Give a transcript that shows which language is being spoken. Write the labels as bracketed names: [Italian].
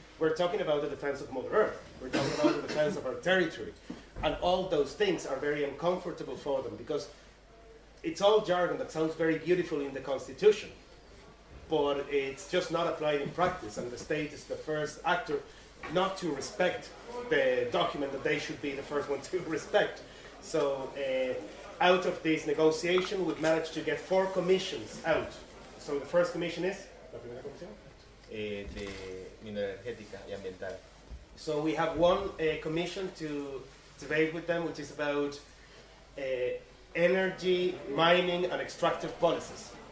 [English] We're talking about the defense of Mother Earth, we're talking about the defense of our territory, and all those things are very uncomfortable for them, because it's all jargon that sounds very beautiful in the Constitution, but it's just not applied in practice, and the state is the first actor not to respect the document that they should be the first one to respect. So out of this negotiation, we've managed to get 4 commissions out. So the first commission is? [Spanish] La primera comisión? De mineralogía y ambiental. [English] So we have one commission to debate with them, which is about energy, mining, and extractive policies.